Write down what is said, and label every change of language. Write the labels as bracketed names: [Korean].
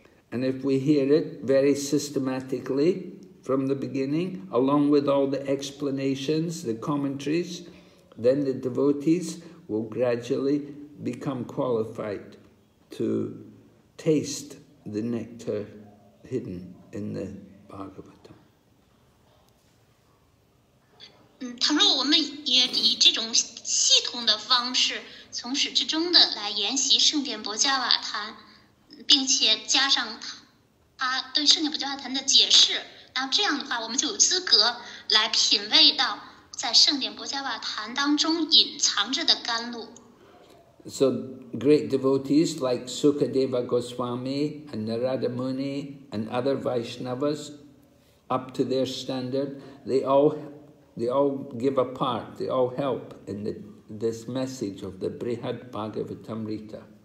[English] And if we hear it very systematically, from the beginning, along with all the explanations, the commentaries, then the devotees will gradually become qualified to taste the nectar hidden in the Bhagavatam. [Chinese] 倘若我们也以这种系统的方式，从始至终的来研习圣典波加瓦坛，并且加上他对圣典波加瓦坛的解释。那这样的话，我们就有资格来品味到在圣典波加瓦坛当中隐藏着的甘露。 [English] So great devotees like Sukadeva Goswami and Narada Muni and other Vaishnavas, up to their standard, they all give a part, they all help in this message of the Brihad Bhagavatamrita.